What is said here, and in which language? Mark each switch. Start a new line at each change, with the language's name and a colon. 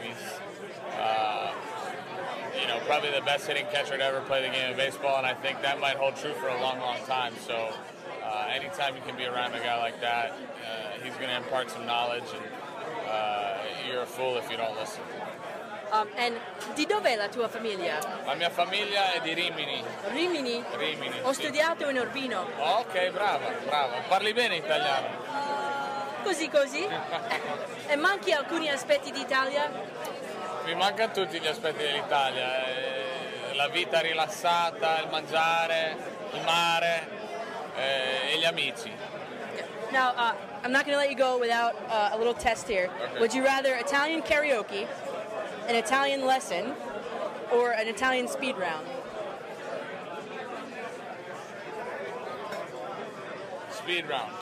English: He's, you know, probably the best hitting catcher to ever play the game of baseball, and I think that might hold true for a long, long time. So Anytime you can be around a guy like that, he's going to impart some knowledge, and you're a fool if you don't listen.
Italian: And di dove è la tua famiglia? La mia famiglia è di Rimini. Rimini? Rimini, ho studiato in Urbino. Ok, brava, brava. Parli bene italiano. Così, così. E manchi alcuni aspetti d'Italia? Mi mancano tutti gli aspetti dell'Italia. La vita rilassata, il mangiare, il mare e gli amici.
English: Now, I'm not going to let you go without a little test here. Okay. Would you rather Italian karaoke, an Italian lesson, or an Italian speed round? Speed round.